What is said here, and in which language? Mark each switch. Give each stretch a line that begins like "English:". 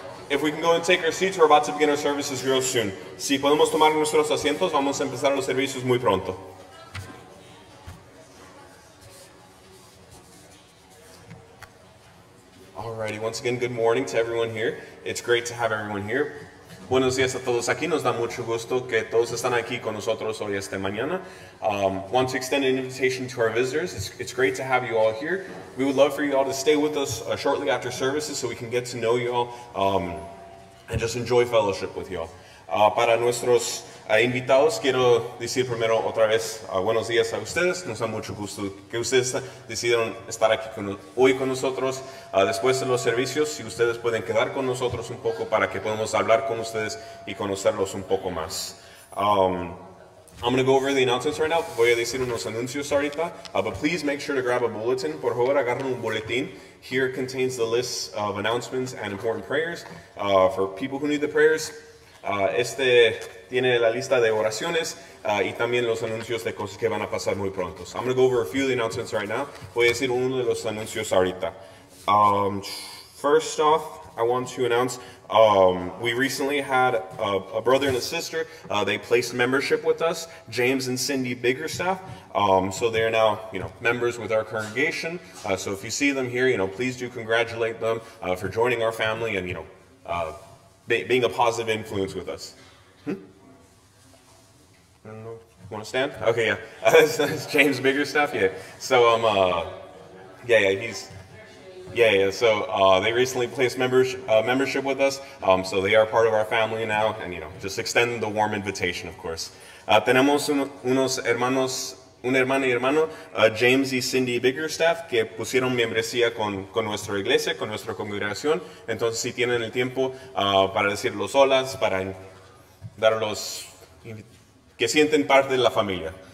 English: If we can go and take our seats, we're about to begin our services real soon.
Spanish: Si podemos tomar nuestros asientos, vamos a empezar los servicios muy pronto.
English: Alrighty, once again, good morning to everyone here. It's great to have everyone here.
Spanish: Buenos dias a todos aquí. Nos da mucho gusto que todos están aquí con nosotros hoy esta mañana.
English: Want to extend an invitation to our visitors. It's great to have you all here. We would love for you all to stay with us shortly after services so we can get to know you all and just enjoy fellowship with you all.
Spanish: Para nuestros invitados, quiero decir primero otra vez buenos días a ustedes. Nos da mucho gusto que ustedes decidieron estar aquí hoy con nosotros. Después de los servicios, si ustedes pueden quedar con nosotros un poco para que podamos hablar con ustedes y conocerlos un poco más.
English: I'm going to go over the announcements right now.
Spanish: Voy a decir unos anuncios ahorita.
English: But please make sure to grab a bulletin.
Spanish: Por favor, agarren un boletín.
English: Here contains the list of announcements and important prayers for people who need the prayers.
Spanish: Este tiene la lista de oraciones y también los anuncios de cosas que van a pasar muy pronto.
English: So I'm going to go over a few of the announcements right now.
Spanish: Voy a decir uno de los anuncios ahorita.
English: First off, I want to announce we recently had a brother and a sister. They placed membership with us, James and Cindy Biggerstaff. So they are now, you know, members with our congregation. So if you see them here, you know, please do congratulate them for joining our family and, you know, being a positive influence with us. Want to stand? Okay, yeah. That's James Biggerstaff. Yeah. So they recently placed membership with us. So they are part of our family now, and you know, just extend the warm invitation, of course.
Spanish: Tenemos unos hermanos, un hermano y hermano, James y Cindy Biggerstaff, que pusieron membresía con nuestra iglesia, con nuestra congregación. Entonces, si tienen el tiempo para decirlos holas, para darlos que sienten parte de la familia.